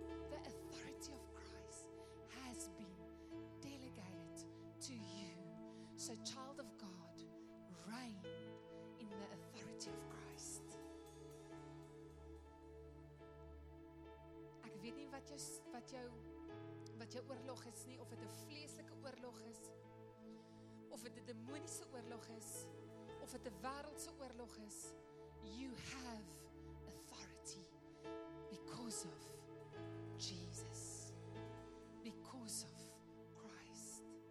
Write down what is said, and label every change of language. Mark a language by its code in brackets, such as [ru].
[en] The authority of Christ has been delegated to you. So child of God, reign in the authority of Christ. [af] Ek weet nie wat jou oorlog is nie, of het 'n vleeslike oorlog is, of het 'n demoniese oorlog is, of het 'n wereldse oorlog is. [en] You have authority because of Jesus, because of Christ.